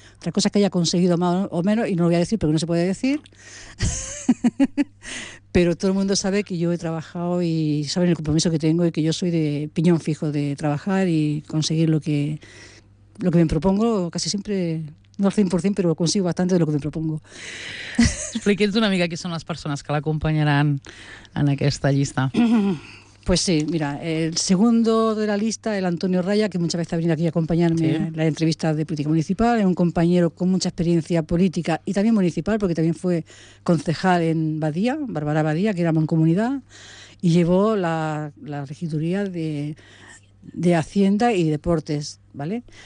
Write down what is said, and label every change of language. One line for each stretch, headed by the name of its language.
Spanish: Otra cosa es que haya conseguido más o menos, y no lo voy a decir porque no se puede decir, pero todo el mundo sabe que yo he trabajado y saben el compromiso que tengo y que yo soy de piñón fijo de trabajar y conseguir lo que me propongo casi siempre. No al 100%, però consigo bastante de lo que me propongo.
Catalan: Expliqui'ns una mica qui són les persones que l'acompanyaran en aquesta llista.
Spanish: Pues sí, mira, el segundo de la lista, el Antonio Raya, que muchas veces ha venido aquí a acompañarme en las entrevistas de política municipal, es un compañero con mucha experiencia política y también municipal, porque también fue concejal en Badía, Bárbara Badía, que era mancomunidad, y llevó la regiduría de Hacienda y Deportes, ¿vale?